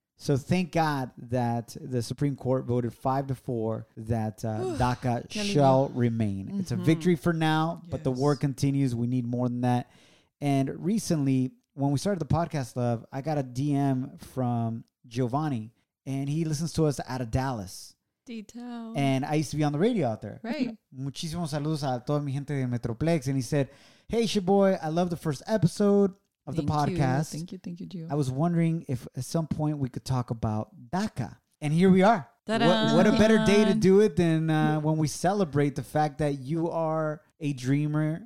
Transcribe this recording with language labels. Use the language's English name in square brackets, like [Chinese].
[English] So thank God that the Supreme Court voted 5-4 that DACA shall remain. Mm-hmm. It's a victory for now, but the war continues. We need more than that. And recently, when we started the podcast, Love, I got a DM from Giovanni, and he listens to us out of Dallas. Detail. And I used to be on the radio out there. Right. [Spanish] Muchísimos saludos a toda mi gente de Metroplex. [English] And he said, hey, Shaboy, I love the first episode of the podcast. Thank you, Gio. I was wondering if at some point we could talk about DACA. And here we are. What a better day to do it than when we celebrate the fact that you are a Dreamer.